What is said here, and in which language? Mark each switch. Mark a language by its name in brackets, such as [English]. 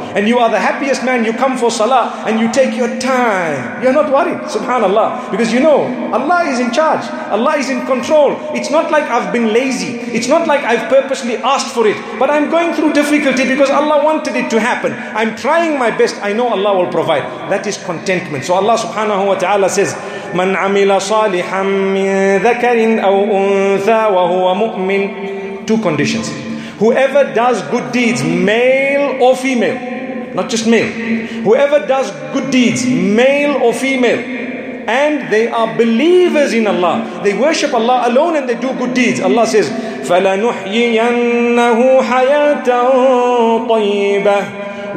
[English] And you are the happiest man, you come for salah and you take your time. You're not worried, subhanAllah. Because you know, Allah is in charge. Allah is in control. It's not like I've been lazy. It's not like I've purposely asked for it. But I'm going through difficulty because Allah wanted it to happen. I'm trying my best. I know Allah will provide. That is contentment. So Allah subhanahu wa ta'ala says, [Arabic] مَنْ عَمِلَ صَالِحًا مِّن ذَكَرٍ أَوْ أُنْثَى وَهُوَ مُؤْمِنٍ. [English] Two conditions. Whoever does good deeds, male or female, not just male, whoever does good deeds, male or female, and they are believers in Allah, they worship Allah alone and they do good deeds, Allah says, [Arabic] فَلَنُحْيِيَنَّهُ حَيَاةً طَيِّبَةً.